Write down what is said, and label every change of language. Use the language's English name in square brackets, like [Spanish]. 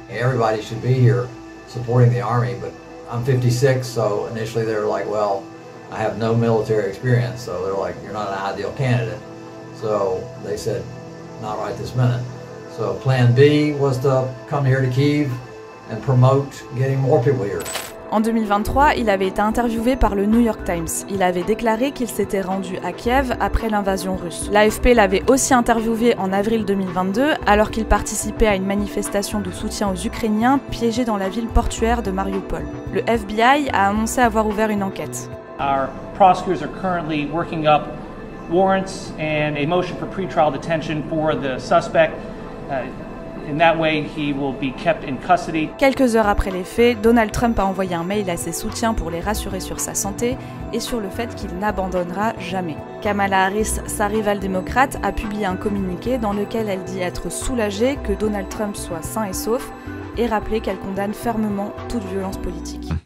[English] Everybody should be here supporting the army, but I'm 56, so initially they're like, well, I have no military experience, so they're like, you're not an ideal candidate. So they said, not right this minute. So plan B was to come here to Kyiv and promote getting more people here. [French] En 2023, il avait été interviewé par le New York Times. Il avait déclaré qu'il s'était rendu à Kiev après l'invasion russe. L'AFP l'avait aussi interviewé en avril 2022, alors qu'il participait à une manifestation de soutien aux Ukrainiens piégés dans la ville portuaire de Mariupol. Le FBI a annoncé avoir ouvert une enquête. [English] Our prosecutors are currently working up warrants and a motion for pre-trial detention for the suspect. In that way, he will be kept in custody. [French] Quelques heures après les faits, Donald Trump a envoyé un mail à ses soutiens pour les rassurer sur sa santé et sur le fait qu'il n'abandonnera jamais. Kamala Harris, sa rivale démocrate, a publié un communiqué dans lequel elle dit être soulagée que Donald Trump soit sain et sauf et rappeler qu'elle condamne fermement toute violence politique.